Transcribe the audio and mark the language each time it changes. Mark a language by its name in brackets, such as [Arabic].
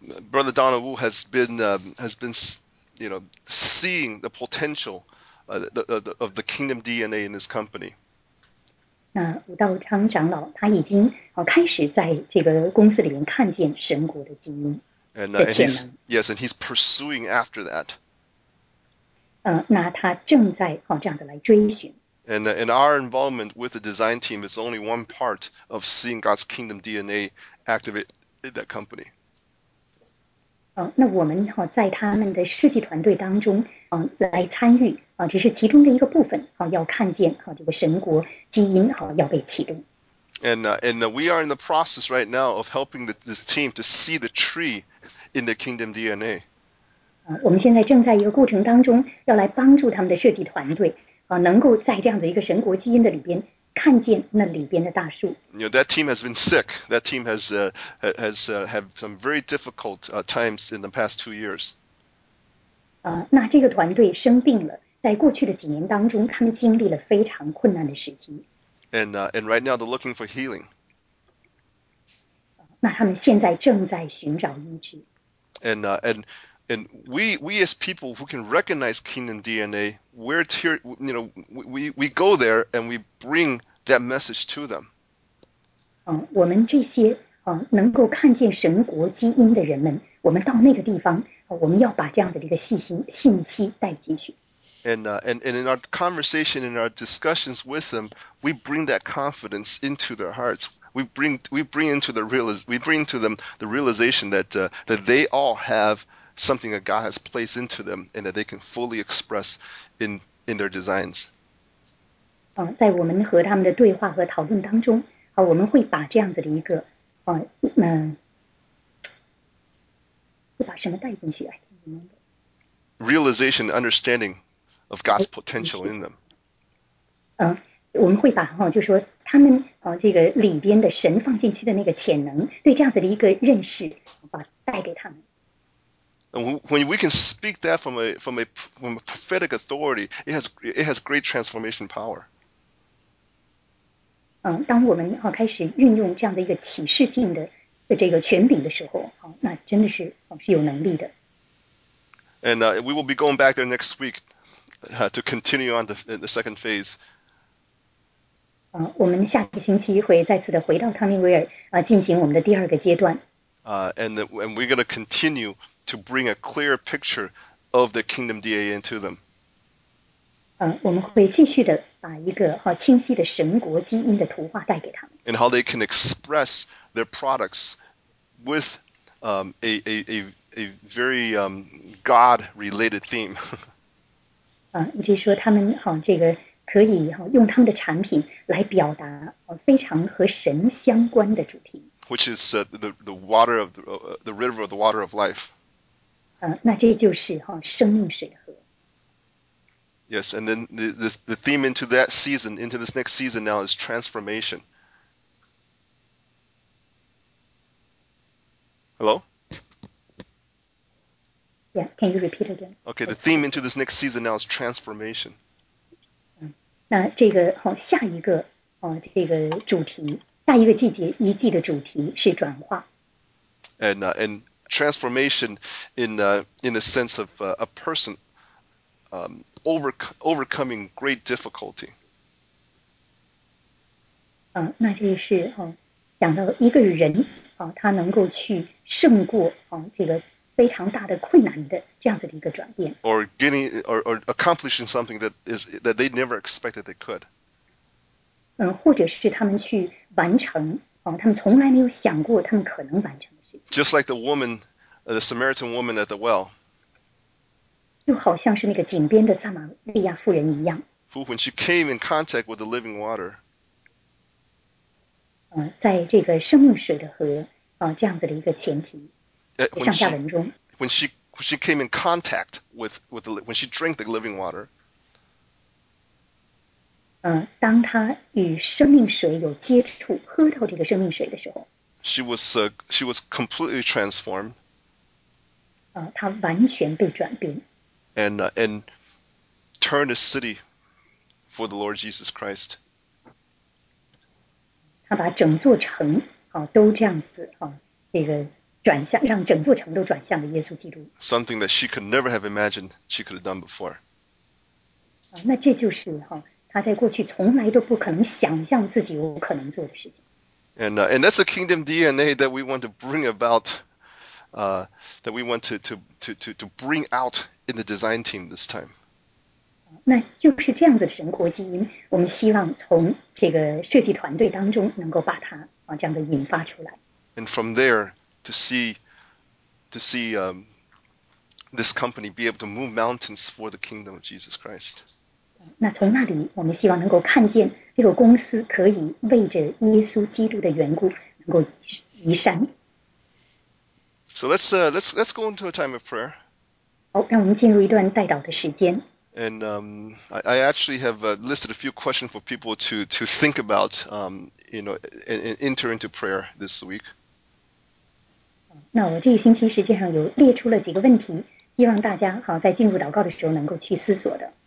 [English] Brother Donald Wu has been seeing the potential of the Kingdom DNA in this company. [Chinese] 那武道昌长老他已经开始在这个公司里面看见神国的基因。 [English] And he's pursuing after that. [Chinese] 那他正在这样子来追寻。 [English] And our involvement with the design team is only one part of seeing God's kingdom DNA activate in that company. [Chinese] 那我们在他们的设计团队当中来参与只是其中的一个部分要看见这个神国基因要被启动。 [English] And we are in the process right now of helping this team to see the tree in the kingdom DNA. [Chinese] 我们现在正在一个过程当中要来帮助他们的设计团队能够在这样的一个神国基因的里边看见那里边的大树。 [English] That team has been sick. That team has had some very difficult times in the past 2 years. [Chinese] 那这个团队生病了，在过去的几年当中，他们经历了非常困难的时期。 [English] And right now they're looking for healing. [Chinese] 那他们现在正在寻找医治。 [English] And we as people who can recognize kingdom DNA, we're here, we go there and we bring that message to them. [Chinese] 我们这些能够看见神国基因的人们，我们到那个地方，我们要把这样的一个信息带进去。 [English] And in our conversation, in our discussions with them, we bring that confidence into their hearts. We bring to them the realization that that they all have something that God has placed into them and that they can fully express in their designs. [Chinese] 在我们和他们的对话和讨论当中，我们会把这样子的一个会把什么带进去啊？ [English] Realization, understanding of God's potential in them. [Chinese] 我们会把就说他们这个里边的神放进去的那个潜能，对这样子的一个认识，把带给他们。 [English] And when we can speak that from a prophetic authority, it has great transformation power. [Chinese] 当我们开始运用这样的一个启示性的这个权柄的时候，那真的是有能力的。 [English] And we will be going back there next week to continue on the second phase. [Chinese] 我们下个星期会再次的回到汤尼威尔进行我们的第二个阶段。 [English] And we're going to continue to bring a clear picture of the kingdom DNA into them. [Chinese] 我们会继续的把一个清晰的神国基因的图画带给他们。 [English] And how they can express their products with a very God-related theme. [Chinese] 你就说他们这个可以用他们的产品来表达非常和神相关的主题。 [English] Which is the water of the river of the water of life. [Chinese] 那这就是生命水河。 [English] Yes, and then the theme into that season, into this next season now is transformation. Hello? Yeah, can you repeat again? Okay, the theme into this next season now is transformation. [Chinese] 那这个下一个这个主题下一个季节一季的主题是转化。 [English] And transformation in the sense of a person overcoming great difficulty. [Chinese] 那就是讲到一个人他能够去胜过这个非常大的困难的这样子的一个转变。 [English] Or accomplishing something that they never expected they could. [Chinese] 或者是他们去完成他们从来没有想过他们可能完成的事情。 [English] Just like the woman, the Samaritan woman at the well. [Chinese] 就好像是那个井边的撒玛利亚妇人一样。 [English] Who, when she came in contact with the living water. [Chinese] 在这个生命水的河这样子的一个前提上下文中。 [English] When she came in contact with the, when she drank the living water. [Chinese] 当他与生命水有接触，喝到这个生命水的时候 [English] ，she was completely transformed. [Chinese] 他完全被转变。 [English] And turn the city for the Lord Jesus Christ. [Chinese] 他把整座城都这样子这个转向，让整座城都转向了耶稣基督。 [English] Something that she could never have imagined she could have done before. [Chinese] 那这就是他在过去从来都不可能想象自己有可能做的事情。 [English] And that's a kingdom DNA that we want to bring about, that we want to bring out in the design team this time. [Chinese] 那就是这样子的神国基因，我们希望从这个设计团队当中能够把它这样的引发出来。 [English] And from there to see this company be able to move mountains for the kingdom of Jesus Christ. [Chinese] 那从那里，我们希望能够看见。这个公司可以为着耶稣基督的缘故能够移山。 [English] So let's go into a time of prayer. [Chinese] 好，让我们进入一段代祷的时间。 [English] And I actually have listed a few questions for people to think about, you know, and enter into prayer this week. [Chinese] 那我这一星期实际上有列出了几个问题，希望大家好在进入祷告的时候能够去思索的。